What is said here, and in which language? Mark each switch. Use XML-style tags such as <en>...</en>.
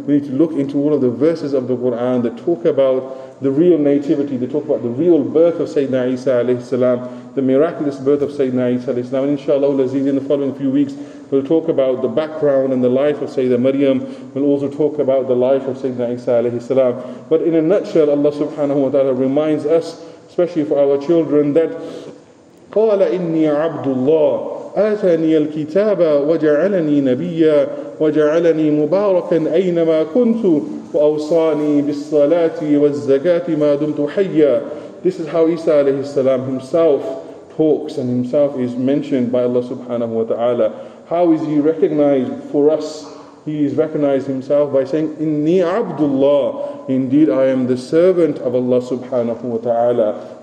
<en>We need to look into all of the verses of the Quran that talk about the real nativity, that talk about the real birth of Sayyidina Isa alayhi salam, the miraculous birth of Sayyidina Isa alayhi salam. And inshallah, in the following few weeks, we'll talk about the background and the life of Sayyidina Maryam. We'll also talk about the life of Sayyidina Isa alayhi salam. But in a nutshell, Allah subhanahu wa ta'ala reminds us, especially for our children, that</en> <ar>قَالَ إِنِّي عَبْدُ اللَّهِ آتاني الكتاب وجعلني نبيا وجعلني مباركا أينما كنت وأوصاني بالصلاة والزكاة ما دمت حيا.</ar> <en>This is how Isa alayhi salam himself talks and himself is mentioned by Allah subhanahu wa ta'ala. How is he recognized for us? He is recognized himself by saying,</en> <ar>Inni Abdullah,</ar> <en>indeed I am the servant of Allah subhanahu wa ta'ala.</en>